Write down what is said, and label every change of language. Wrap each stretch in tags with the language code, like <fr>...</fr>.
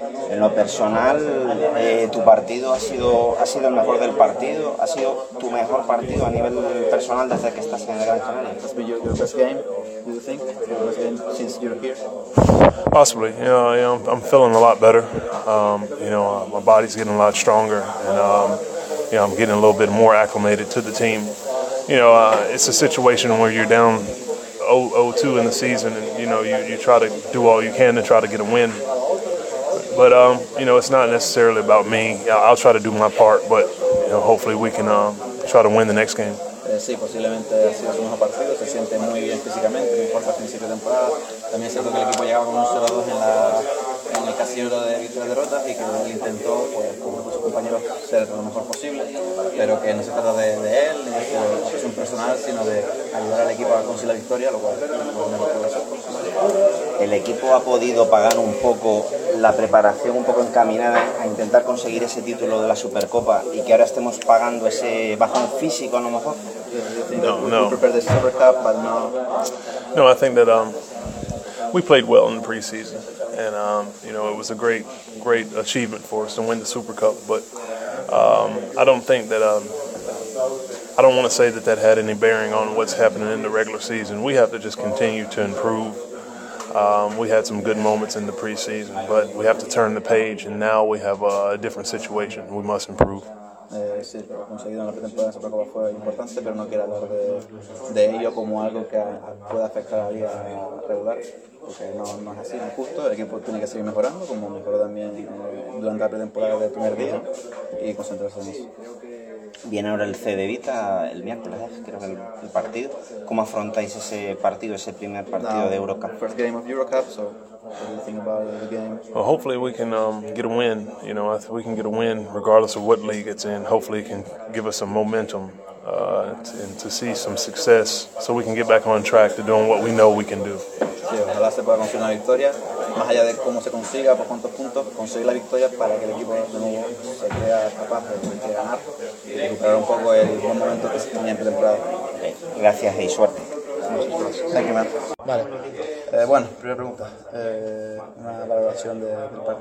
<es>En lo personal, tu partido ha sido el mejor del partido, ha sido tu mejor partido a nivel personal desde que estás en el Gran Canaria. ¿Has visto tu mejor partido?</es> <en>¿Do you think your best game since you're here? Possibly. You know, I'm feeling a lot better. My body's getting a lot stronger, and I'm getting a little bit more acclimated to the team. You know, it's a situation where you're down 0-2 in the season, and you know, you try to do all you can to try to get a win. But you know, it's not necessarily about me. I'll try to do my part, but you know, hopefully we can try to win the next game.</en> <es>Sí, posiblemente ha sido su mejor partido, se siente muy bien físicamente, no importa el principio de temporada. También es cierto que el equipo llegaba con un 0-2 en el casillero de victoria y derrota y que él intentó, pues, con sus compañeros, ser lo mejor posible, pero que no se trata de él, ni de su opción personal, sino de ayudar al equipo a conseguir la victoria, lo cual no es mejor. ¿El equipo ha podido pagar un poco la preparación, un poco encaminada a intentar conseguir ese título de la Supercopa y que ahora estemos pagando ese bajón físico a lo mejor? No.</es> <en>We prepared the Supercup, but no. No, I think that we played well in the preseason, and you know, it was a great achievement for us to win the Supercup. But I don't think that I don't want to say that had any bearing on what's happening in the regular season. We have to just continue to improve. We had some good moments in the preseason, but we have to turn the page, and now we have a different situation. We must improve.</en> <es>Sí, lo conseguido en la pretemporada de la Supercopa fue importante, pero no quiero hablar de ello como algo que pueda afectar a la liga regular, porque no es así, no es justo. El equipo tiene que seguir mejorando, como mejoró también durante la pretemporada del primer día, y concentrarse en eso. Viene ahora el CD Vita el miércoles, creo que el partido. ¿Cómo afrontáis ese partido, ese primer partido de Eurocup?</es> <en>First game of Eurocup, so what do you think about the game? Well, hopefully we can get a win. You know, we can get a win regardless of what league it's in. Hopefully it can give us some momentum and to see some success so we can get back on track to doing what we know we can do.</en> <es>Sí, ojalá se pueda conseguir una victoria. Más allá de cómo se consiga, por cuántos puntos, conseguir la victoria para que el equipo de nuevo se crea capaz de ganar y recuperar un poco el buen momento que se tenía en pretemporada. Okay. Gracias y suerte.</es> <en>Thank you, man.</en> <es>Vale. Bueno, primera pregunta. Una valoración del partido.</es>